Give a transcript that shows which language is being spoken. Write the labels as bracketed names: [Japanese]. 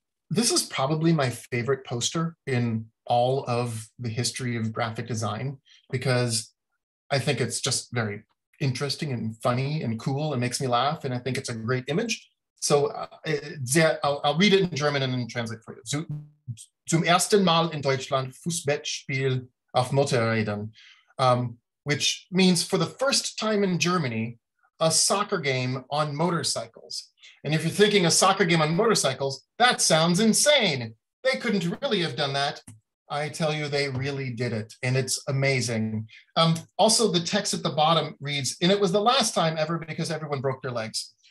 [English] This is probably my favorite poster in all of the history of graphic design, because I think it's just very interesting and funny and cool and makes me laugh. And I think it's a great image. So I'll read it in German and then translate for you. [German] Zum ersten Mal in Deutschland Fußballspiel auf Motorrädern. [English] Which means for the first time in Germany, a soccer game on motorcycles. And if you're thinking a soccer game on motorcycles, that sounds insane. They couldn't really have done that. I tell you, they really did it. And it's amazing. Also, the text at the bottom reads, and it was the last time ever because everyone broke their legs.